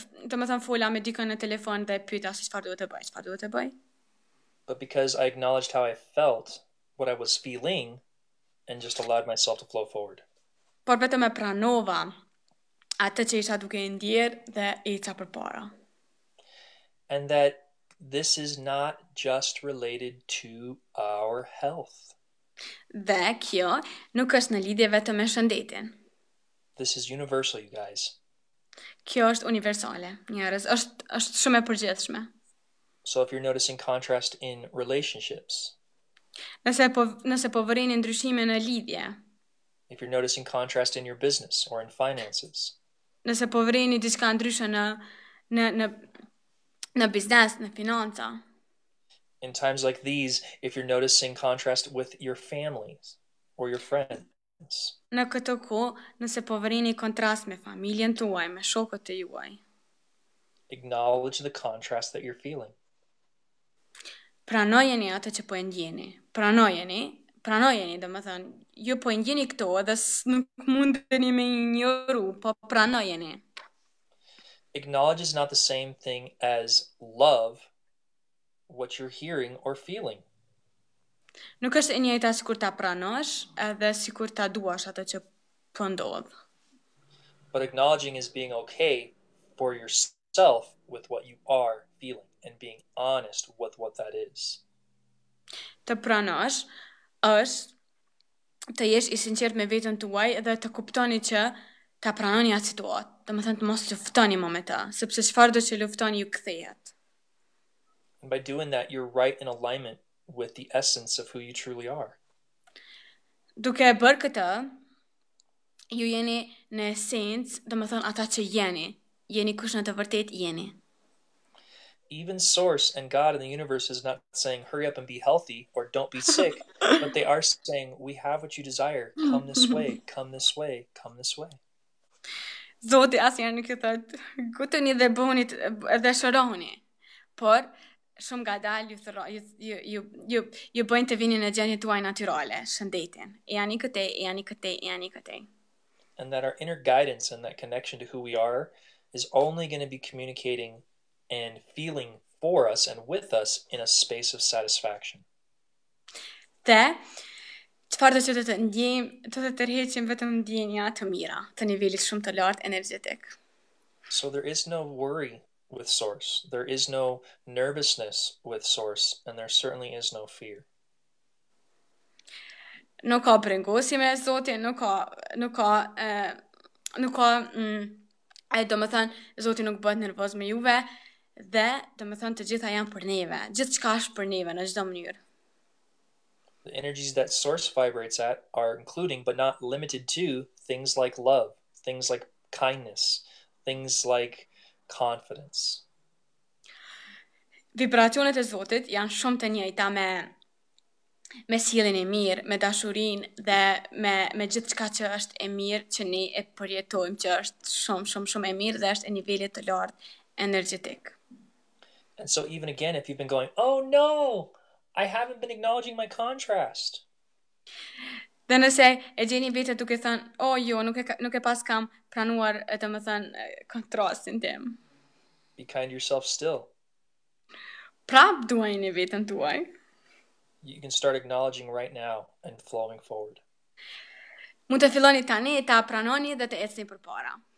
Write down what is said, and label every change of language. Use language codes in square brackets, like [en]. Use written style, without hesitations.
[sq] Të më thënë fola me dikën në telefon dhe pyta se çfarë duhet të bëj, çfarë duhet të bëj. [en] But because I acknowledged how I felt, what I was feeling, and just allowed myself to flow forward. [sq] Por vetëm e pranova atë që isha duke e ndjerë dhe e ca përpara. [en] And that this is not just related to our health. [sq] Dhe kjo nuk është në lidhje vetëm me shëndetin. [en] This is universal, you guys. [sq] Kjo është universale, njerëz, është shumë e përgjithshme. [en] So if you're noticing contrast in relationships, [sq] Nëse po vërejnë ndryshime në lidhje, [en] if you're noticing contrast in your business or in finances, [sq] nëse po vërejnë diçka ndryshe në biznes, në financa, [en] in times like these, if you're noticing contrast with your families or your friends, [sq] në këtë kohë, nëse po vërini kontrast me familjen tuaj, me shokët të juaj. [en] acknowledge the contrast that you're feeling. [sq] Pranojeni atë që po e ndjeni. Pranojeni, dhe më thënë, ju po e ndjeni këto edhe nuk mundeni me ignoru, po pranojeni. [en] Acknowledge is not the same thing as love, what you're hearing or feeling. [sq] Nuk është e njëjta sikur ta pranosh, edhe sikur ta duash atë që po ndodh. [en] But acknowledging is being okay for yourself with what you are feeling and being honest with what that is. [sq] Të pranosh është të jesh i sinqert me veten tuaj edhe të kuptoni që ta pranoni atë situatë. Domethënë të mos luftoni më me ta, sepse çfarë do të luftoni ju kthehet. [en] By doing that, you're right in alignment with the essence of who you truly are. [sq] Duke e bërë këtë, ju jeni në esencë, do më thonë ata që jeni. Jeni kush në të vërtet jeni. [en] Even Source and God in the universe is not saying, hurry up and be healthy or don't be sick, but they are saying, we have what you desire. Come this way, come this way, come this way. [sq] Zoti asnjëherë nuk i thot, gutuni dhe bëhuni edhe shërohuni. Por shumë ngadalë ju bëjnë të vini në gjendjen tuaj natyrale, shëndetin. E jani këtej. [en] And that our inner guidance and that connection to who we are is only going to be communicating and feeling for us and with us in a space of satisfaction. [sq] Dhe, çfarë do të ndjejmë, të tërheqim vetëm ndjenja të mira, të nivelit shumë të lartë energjetik. [en] So there is no worry with source. There is no nervousness with source, and there certainly is no fear. [sq] Nuk ka brengosje me Zotin, do më thënë, Zoti nuk bëhet nervoz me juve, dhe do më thënë të gjitha janë për neve, gjithë qka është për neve në gjithë mënyrë. [en] The energies that source vibrates at are including but not limited to things like love, things like kindness, things like confidence. [sq] Vibracionet e Zotit janë shumë të njëjta me sjelljen e mirë, me dashurinë dhe me gjithçka që është e mirë që ne e përjetojmë, që është shumë shumë shumë e mirë dhe është e nivelit të lartë energjetik. [en] And so even again if you've been going, "Oh no, I haven't been acknowledging my contrast." [sq] Dhe nëse e gjeni vetë duke thënë, "Oh jo, nuk e pas kam pranuar, domethënë kontrastin tim." [en] Be kind to yourself still. [sq] Prap duajni vetën tuaj. [en] You can start acknowledging right now and flowing forward. [sq] Mund të filloni tani ta pranoni dhe të ecni përpara.